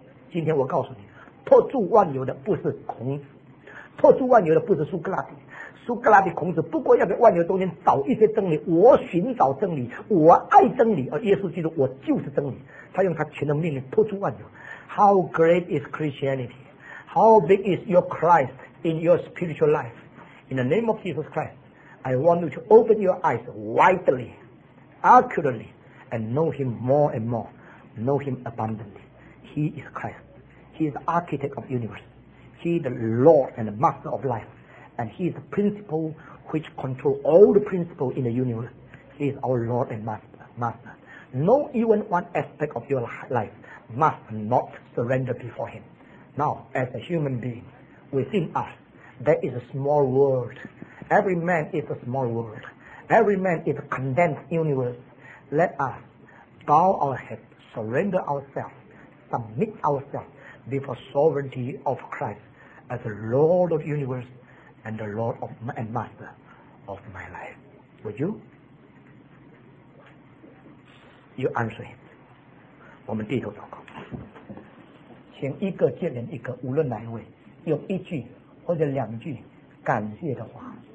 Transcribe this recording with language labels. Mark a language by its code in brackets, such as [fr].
[zh] 今天我告诉你，托住万有的不是孔子，托住万有的不是苏格拉底，苏格拉底孔子不过要在万有中间找一些真理，我寻找真理，我爱真理，而耶稣基督我就是真理。他用他全能命令托住万有。 [en] How great is Christianity? How big is your Christ in your spiritual life? In the name of Jesus Christ, I want you to open your eyes widely, accurately, and know him more and more. Know him abundantly. He is Christ. He is the architect of the universe. He is the Lord and the master of life. And he is the principle which controls all the principles in the universe. He is our Lord and master. No even one aspect of your life must not surrender before him. Now, as a human being, within us, there is a small world. Every man is a small world. Every man is a condensed universe. Let us bow our heads, surrender ourselves, submit ourselves before sovereignty of Christ as the Lord of the universe and the Lord of my, and Master of my life. Would you? You answer him. [zh] 我们低头祷告，请一个接连一个，无论哪一位，用一句或者两句感谢的话。